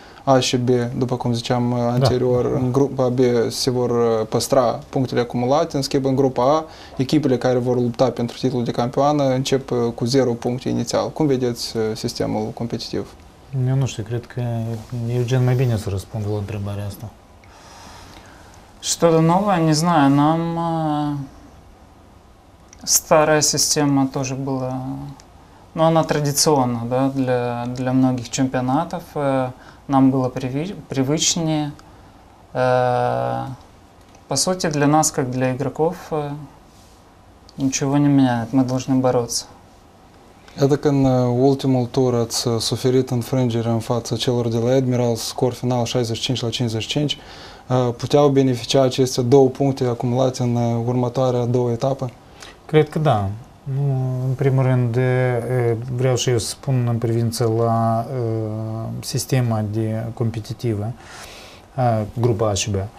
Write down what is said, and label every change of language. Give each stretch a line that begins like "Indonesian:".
Romanian: A și B, după cum ziceam anterior, da. În grupa B se vor păstra punctele acumulate, în schimb în grupa A, echipele care vor lupta pentru titlul de campioană încep cu 0 puncte inițial. Cum vedeți sistemul competitiv? Eu nu știu, cred că Eugen mai bine să răspundă la întrebarea asta.
Russian: Что-то новое, не знаю, нам старая система тоже была, но она традиционна, да, для многих чемпионатов. Нам было привычнее. По сути, для нас, как для игроков, ничего не меняет. Мы должны бороться. Это когда
Romanian: ultimul tur ați suferit înfrângere în fața celor de la Admirals, scor final 65-55, puteau beneficia aceste două puncte acumulate în următoarea două etape? Cred că da. Nu, în primul rând, vreau și eu să spun în privință la sistema de competitivă. grupa ACB.